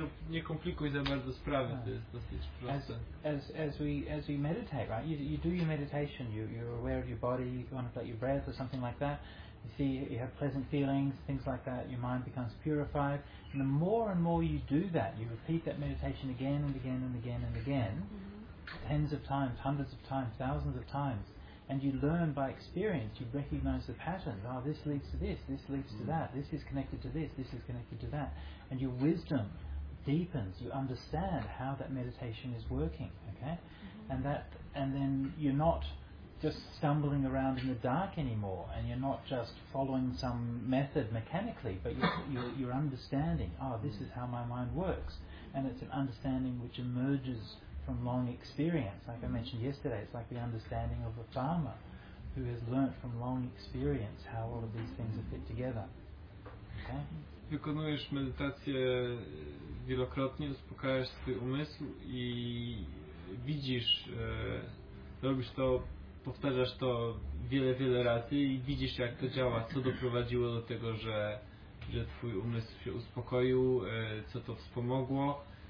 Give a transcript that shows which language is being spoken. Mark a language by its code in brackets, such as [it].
[pl] Nie komplikuj za bardzo sprawy, to jest dosyć proste. [en] As we meditate, right? You do your meditation, you're aware of your body, you want to let your breath or something like that. You see, you have pleasant feelings, things like that, your mind becomes purified. And the more and more you do that, you repeat that meditation again and again and again and again, mm-hmm. tens of times, hundreds of times, thousands of times, and you learn by experience, you recognize the pattern. Oh, this leads to this, this leads to that, this is connected to this, this is connected to that. And your wisdom deepens, you understand how that meditation is working, okay? Mm-hmm. And then you're not just stumbling around in the dark anymore, and you're not just following some method mechanically, but you're understanding, oh, this is how my mind works. And it's an understanding which emerges from long experience, like I mentioned yesterday. It's like the understanding of a farmer who has learnt from long experience how all of these things are fit together. Okay? [pl] Wykonujesz medytację wielokrotnie, uspokajasz swój umysł i widzisz, robisz to, powtarzasz to wiele, wiele razy i widzisz, jak to działa, co doprowadziło do tego, że twój umysł się uspokoił, co to wspomogło.